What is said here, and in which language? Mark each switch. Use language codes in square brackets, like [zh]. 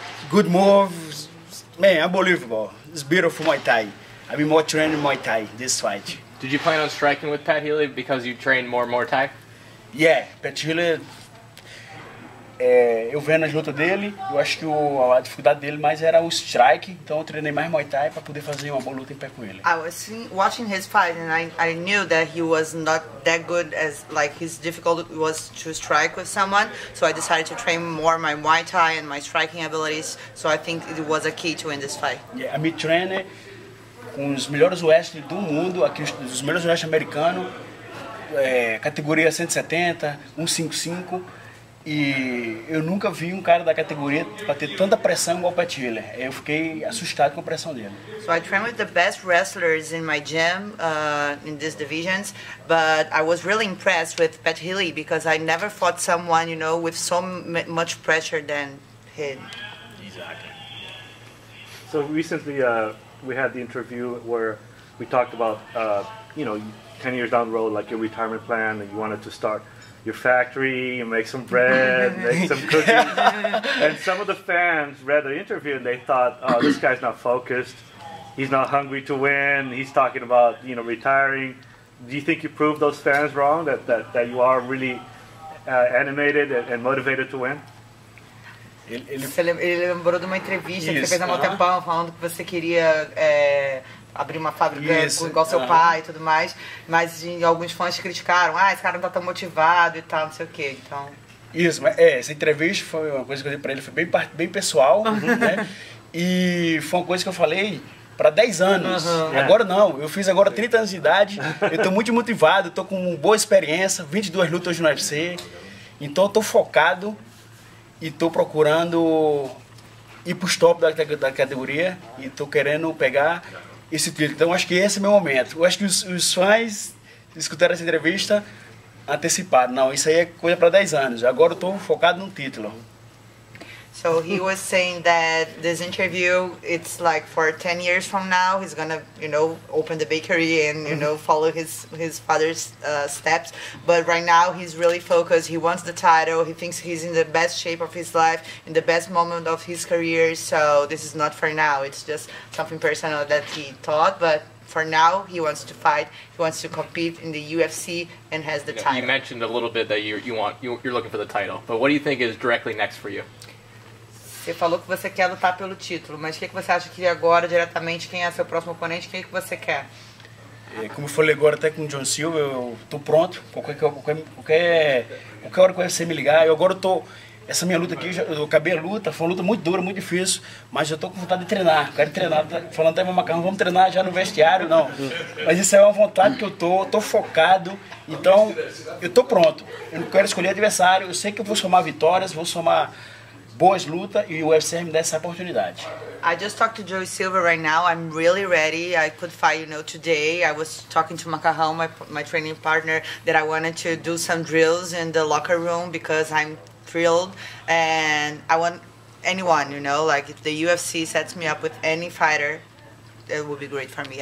[en] Good moves. Man, unbelievable. It's beautiful Muay Thai. I've been more training Muay Thai this fight. Did you plan on striking with Pat Healy because you trained more and more Thai? [pt] Yeah, Pat Healy, eu vendo as lutas dele, eu acho que a dificuldade dele mais era o strike, então eu treinei mais Muay Thai para poder fazer uma boa luta em pé com ele. [en] I was watching his fight and I knew that he was not that good as, like, his difficult was to strike with someone, so I decided to train more my Muay Thai and my striking abilities, so I think it was a key to win this fight. [pt] Yeah, me treinei com os melhores wrestlers do mundo, aqui os melhores wrestlers americanos, categoria 170, 155. E eu nunca vi um cara da categoria bater tanta pressão igual o Pat Healy. Eu fiquei assustado com a pressão dele. [en] So I trained with the best wrestlers in my gym, in these divisions, but I was really impressed with Pat Healy because I never fought someone, you know, with so much pressure than him. Exactly. So recently we had the interview where we talked about, you know, 10 years down the road, like your retirement plan, and you wanted to start your factory, you make some bread, make some cookies. And some of the fans read the interview and they thought, oh, this guy's not focused. He's not hungry to win. He's talking about, you know, retiring. Do you think you proved those fans wrong, that you are really animated and motivated to win? [pt] Ele lembrou de uma entrevista que você fez há um tempão, falando que você queria abrir uma fábrica igual seu pai e tudo mais, mas alguns fãs criticaram, ah, esse cara não tá tão motivado e tal, não sei o quê, então... Isso, mas essa entrevista foi uma coisa que eu dei pra ele, foi bem pessoal, né? E foi uma coisa que eu falei pra 10 anos, agora não, eu fiz agora 30 anos de idade, eu tô muito motivado, tô com boa experiência, 22 lutas no UFC, então eu tô focado e tô procurando ir pros top da categoria e tô querendo pegar esse título. Então acho que esse é o meu momento. Eu acho que os fãs escutaram essa entrevista antecipado. Não, isso aí é coisa para 10 anos. Agora eu tô focado no título. [en] So he was saying that this interview, it's like for 10 years from now, he's gonna, you know, open the bakery and, you know, follow his father's steps. But right now he's really focused. He wants the title. He thinks he's in the best shape of his life, in the best moment of his career. So this is not for now. It's just something personal that he thought. But for now, he wants to fight. He wants to compete in the UFC and has the title. You mentioned a little bit that you're looking for the title. But what do you think is directly next for you? [pt] Você falou que você quer lutar pelo título, mas o que, que você acha que agora, diretamente, quem é seu próximo oponente, quem é que você quer? Como eu falei agora até com o John Silva, eu tô pronto, qualquer hora que você me ligar, eu agora tô essa minha luta aqui, eu acabei a luta, foi uma luta muito dura, muito difícil, mas eu tô com vontade de treinar, quero treinar, falando até meu macarrão, vamos treinar já no vestiário, não. Mas isso é uma vontade que eu tô focado, então eu tô pronto. Eu não quero escolher adversário, eu sei que eu vou somar vitórias, vou somar boas lutas e o UFC me dá essa oportunidade. [en] I just talked to Joey Silva right now, I'm really ready, I could fight, you know, today. I was talking to Macarrão, my training partner, that I wanted to do some drills in the locker room because I'm thrilled, and I want anyone, you know, like if the UFC sets me up with any fighter, it would be great for me.